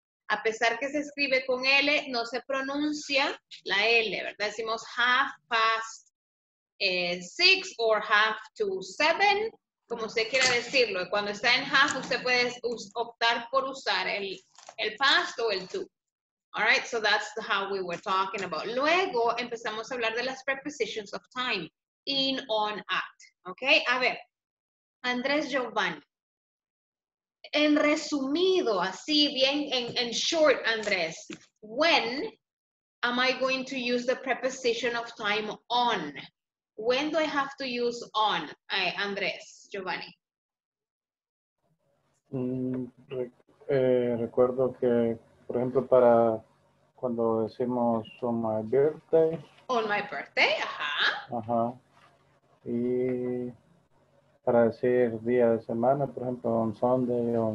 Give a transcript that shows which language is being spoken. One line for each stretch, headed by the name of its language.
Spanish: A pesar que se escribe con L, no se pronuncia la L, ¿verdad?
English: Decimos half past 6 or half to 7.
Spanish: Como usted quiera decirlo, cuando está en half, usted puede optar por usar el past o el to.
English: All right, so that's how we were talking about.
Spanish: Luego empezamos a hablar de las prepositions of time.
English: In, on, at. Ok,
Spanish: a ver.
English: Andrés Giovanni.
Spanish: En resumido, así bien, en short, Andrés.
English: When am I going to use the preposition of time on? When do I have to use on, Andrés? Giovanni.
Spanish: Recuerdo que, por ejemplo, para cuando decimos
English: on my birthday. On my birthday, ajá. Ajá.
Spanish: Y para decir día de semana, por ejemplo,
English: on Sunday, on